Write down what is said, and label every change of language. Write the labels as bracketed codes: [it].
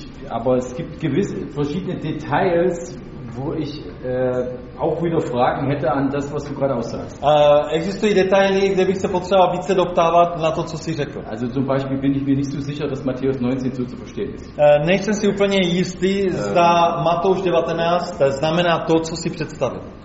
[de] Aber es gibt gewisse verschiedene Details, wo ich auch wieder Fragen hätte an das, was du gerade aussagst. [cs] Existují detaily, kde bych se potřeboval více doptávat na to, co jsi řekl. [de] Also zum Beispiel bin ich mir nicht so sicher, dass Matthäus 19 so zu verstehen ist. [cs] Nejsem si úplně jistý, zda Matouš 19 znamená to, co si představil.